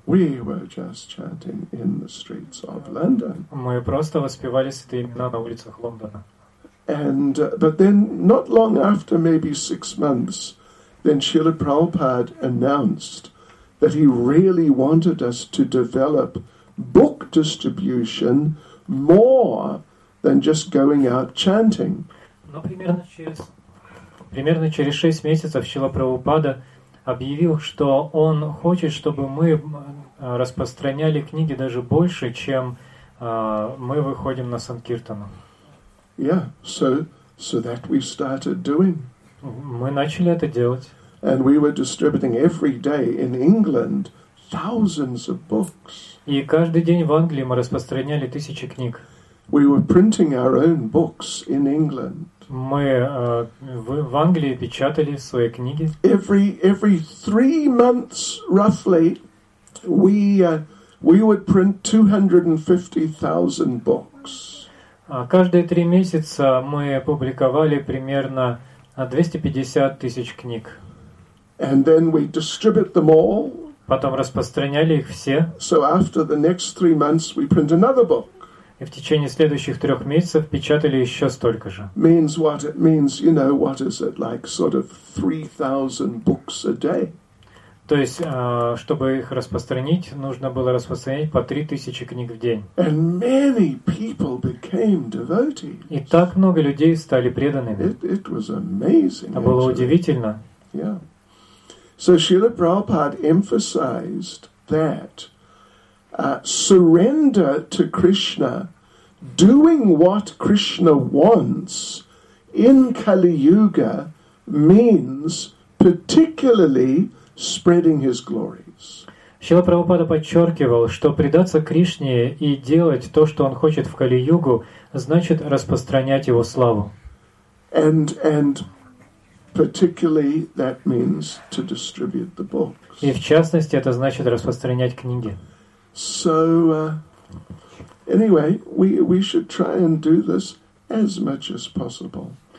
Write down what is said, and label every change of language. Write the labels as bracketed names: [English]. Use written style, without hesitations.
[English] We were just chanting in the streets of London. [Russian] Мы просто воспевали святые имена на улицах Лондона. [English] And but then not long after, maybe 6 months, then Srila Prabhupada announced that he really wanted us to develop book distribution more than just going out chanting. [Russian] Но примерно через 6 месяцев Шрила Прабхупада объявил, что он хочет, чтобы мы распространяли книги даже больше, чем мы выходим на санкиртану. [English] Yeah, so that we started doing. [Russian] Мы начали это делать. [English] And we were distributing every day in England thousands of books. [Russian] И каждый день в Англии мы распространяли тысячи книг. [English] We were printing our own books in England. [Russian] Мы в Англии печатали свои книги. [English] Every 3 months, roughly, we would print 250,000 books. [Russian] Каждые 3 месяца мы публиковали примерно 250 тысяч книг. [English] And then we distribute them all. [Russian] Потом распространяли их все. [English] So after the next 3 months, we print another book. [Russian] И в течение следующих 3 месяцев печатали еще столько же. [English] Means what it means, you know, what is it like, sort of 3,000 books a day. [Russian] То есть, чтобы их распространить, нужно было распространять по 3,000 книг в день. [English] And many people became devotees. [Russian] И так много людей стали преданными. [English] It was amazing. [Russian] Это было удивительно. [English] Yeah. So Srila Prabhupada emphasized that. Surrender to Krishna, doing what Krishna wants in Kali Yuga means particularly spreading his glories. [Russian] Шрила Прабхупада подчеркивал, что предаться Кришне и делать то, что он хочет в Кали Югу, значит распространять его славу. [English] And particularly that means to distribute the books. [Russian] И в частности это значит распространять книги. [English] So anyway, we should try and do this as much as possible.